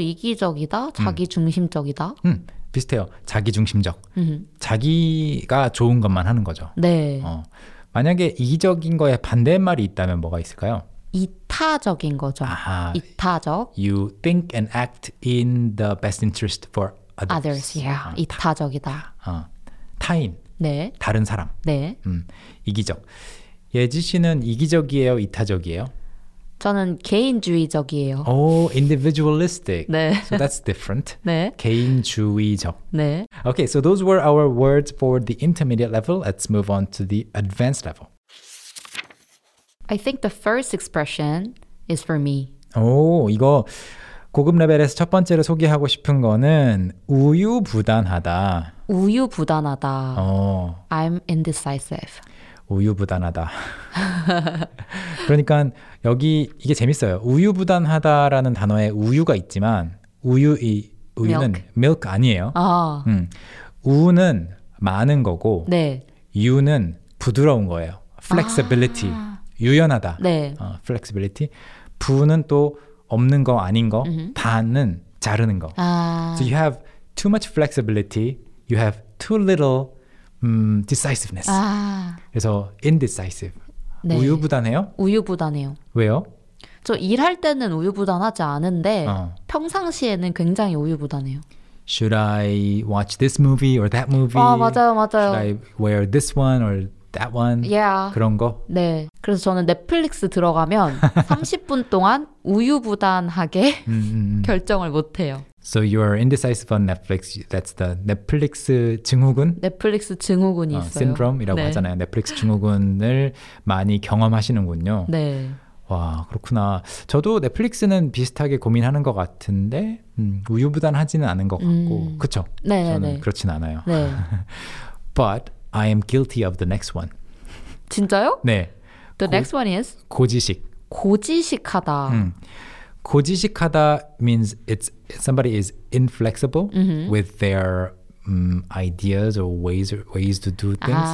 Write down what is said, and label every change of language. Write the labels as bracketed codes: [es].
[ko] 이기적이다, 자기중심적이다. 비슷해요. 자기중심적. 자기가 좋은 것만 하는 거죠. 네. 만약에 이기적인 거에 반대말이 있다면 뭐가 있을까요? 이타적인 거죠. 아하, 이타적. [en] You think and act in the best interest for others. Others, yeah. [ko] 이타적이다. 타인. 네. 다른 사람. 네. 이기적. 예지 씨는 이기적이에요, 이타적이에요? 저는 개인주의적이에요. [en] Oh, individualistic. [ko] 네. [en] So that's different. [ko] 네. 개인주의적. 네. [en] Okay, so those were our words for the intermediate level. Let's move on to the advanced level. I think the first expression is for me. [ko] 오, 이거 고급 레벨에서 첫 번째로 소개하고 싶은 거는 우유부단하다. 우유부단하다. 어. [en] I'm indecisive. [ko] 우유부단하다. 그러니까 여기 이게 재밌어요. 우유부단하다라는 단어에 우유가 있지만 우유는 milk 아니에요. 우는 많은 거고 네. 유는 부드러운 거예요. flexibility. 아. 유연하다. 네. flexibility. 부는 또 없는 거 아닌 거. 단은 자르는 거. 아. [en] So you have too much flexibility. You have too little decisiveness. [ko] 아. 그래서 indecisive. 네. 우유부단해요? 우유부단해요. 왜요? 저 일할 때는 우유부단하지 않은데 평상시에는 굉장히 우유부단해요. [en] Should I watch this movie or that movie? [ko] 아, 맞아요, 맞아요. [en] Should I wear this one or that one? Yeah. [ko] 그런 거? 네. 그래서 저는 넷플릭스 들어가면 30분 동안 우유부단하게 결정을 못해요. [en] So you are indecisive on Netflix. That's the Netflix 증후군? [ko] Netflix 증후군이 있어요. Syndrome이라고 네. 하잖아요. Netflix 증후군을 많이 경험하시는군요. 네. 와, 그렇구나. 저도 넷플릭스는 비슷하게 고민하는 것 같은데 우유부단하지는 않은 것 같고. 그렇죠? 네, 저는 네. 그렇진 않아요. 네. [en] But I am guilty of the next one. [ko] 진짜요? 네. [en] The next one is? [ko] 고지식. 고지식하다. [en] 고지식하다 means it's somebody is inflexible with their ideas or ways to do things.